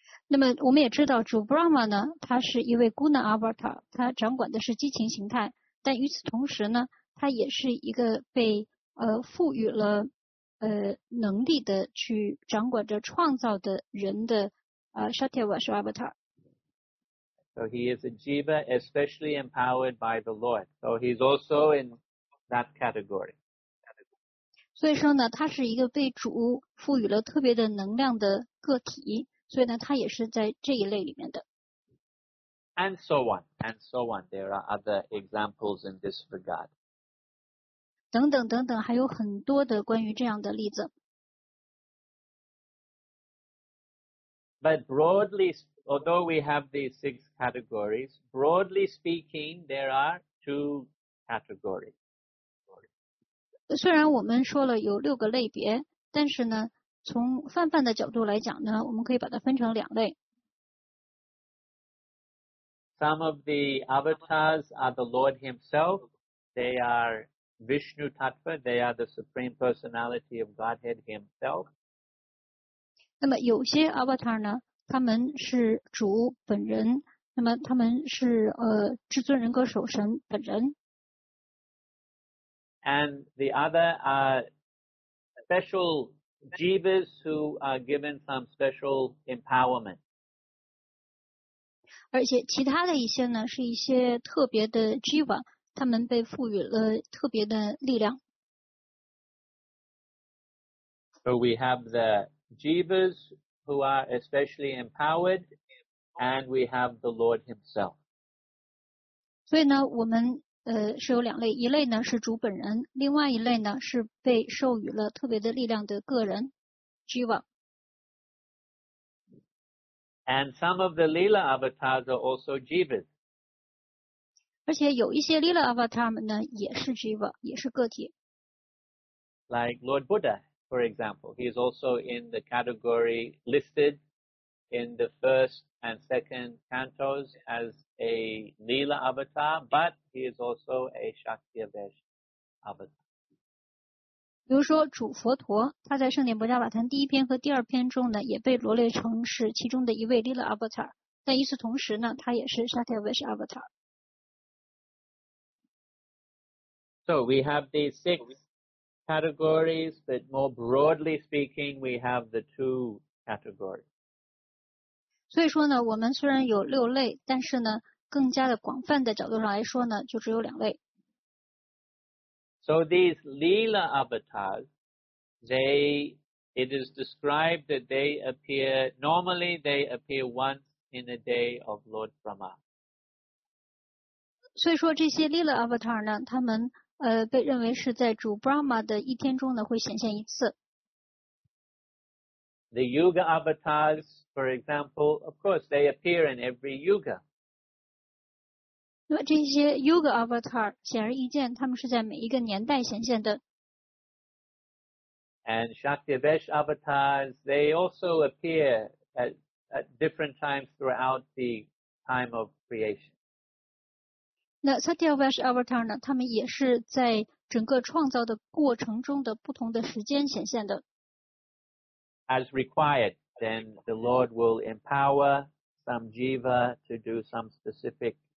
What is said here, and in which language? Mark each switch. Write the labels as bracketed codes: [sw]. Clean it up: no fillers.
[zh] 那么我们也知道主 Brahma 呢，他是一位 Guna avatar， 他掌管的是激情形态，但与此同时呢，他也是一个被赋予了能力的去掌管着创造的人的Shaktivesh avatar。 [en] So he is a Jiva especially empowered by the Lord. So he's also inthat category. [zh] 所以说呢，他是一个被主赋予了特别的能量的个体，所以呢，他也是在这一类里面的。 [en] And so on. There are other examples in this regard. [zh] 等等等等，还有很多的关于这样的例子。 [en] But broadly, although we have these 6 categories, broadly speaking, there are 2 categories. [zh] 虽然我们说了有六个类别，但是呢，从泛泛的角度来讲呢，我们可以把它分成两类。 [en] Some of the avatars are the Lord Himself. They are Vishnu Tattva. They are the Supreme Personality of Godhead Himself. [zh] 那么有些 avatar 呢，他们是主本人，那么他们是至尊人格守神本人。 [en] And the other are special jivas who are given some special empowerment. [zh] 而且其他的一些呢，是一些特别的 jiva， 他们被赋予了特别的力量。 [en] So we have the jivas who are especially empowered, and we have the Lord Himself. [zh] 所以呢，我们是有两类，一类呢是主本人，另外一类呢是被授予了特别的力量的个人 Jiva。 [en] And some of the Leela avatars are also Jivas. [zh] 而且有一些 Leela avatar 们呢也是 Jiva， 也是个体。 [en] Like Lord Buddha, for example, he is also in the category listed in the first and second cantos as a Leela avatar, but he is also a Shaktivesh avatar. [zh] 比如说主佛陀，他在圣典博迦瓦坛第一篇和第二篇中呢，也被罗列成是其中的一位 Lila Avatar， 但与此同时呢，他也是 Satyavish Avatar。 [en] So we have these six categories, but more broadly speaking, we have the two categories. [zh] 所以说呢，我们虽然有六类，但是呢，更加的广泛的角度上来说呢，就只有两类。 [en] So these Leela avatars, it is described that they appear, normally they appear once in the day of Lord Brahma. [zh] 所以说这些 Leela avatar 呢，他们被认为是在主 Brahma 的一天中呢会显现一次。 [en] The Yuga avatars, for example, of course they appear in every Yuga. [zh] 那么这些 Yuga Avatar 显而易见，他们是在每一个年代显现的。 [en] And Shaktivesh Avatars, they also appear at different times throughout the time of creation. [zh] 那 Satyavesh Avatar 呢？他们也是在整个创造的过程中的不同的时间显现的。 [en] As required, then the Lord will empower some jiva to do some specific.